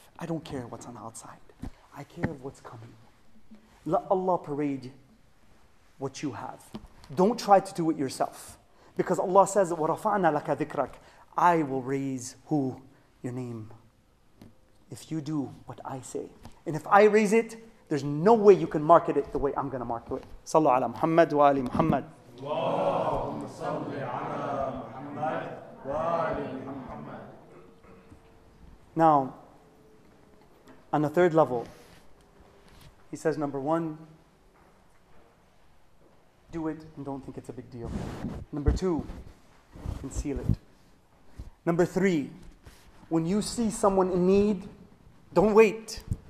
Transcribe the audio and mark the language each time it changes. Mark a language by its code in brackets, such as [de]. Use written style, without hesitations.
[en] I don't care what's on the outside. I care of what's coming. Let Allah parade what you have. Don't try to do it yourself. Because Allah says, [ar] وَرَفَعْنَا لَكَ ذِكْرَكَ. [en] I will raise who? Your name. If you do what I say. And if I raise it, there's no way you can market it the way I'm going to market it. [ar] صَلَّى عَلَى مُحَمَّدْ وَعَلِي مُحَمَّدْ. اللهم صل على محمد وآل محمد. [en] Now, on the third level, he says, number one, do it and don't think it's a big deal. Number two, conceal it. Number three, when you see someone in need, don't wait.